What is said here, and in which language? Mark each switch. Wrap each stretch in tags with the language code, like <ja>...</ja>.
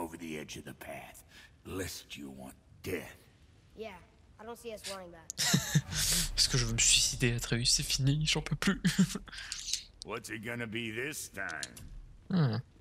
<en>Over the edge of the path, lest you want death. Yeah, I don't see us wanting that.</en> <fr>Parce que je veux me suicider, Atreus, c'est fini, j'en peux plus.</fr> <en>What's it gonna be this time?</en>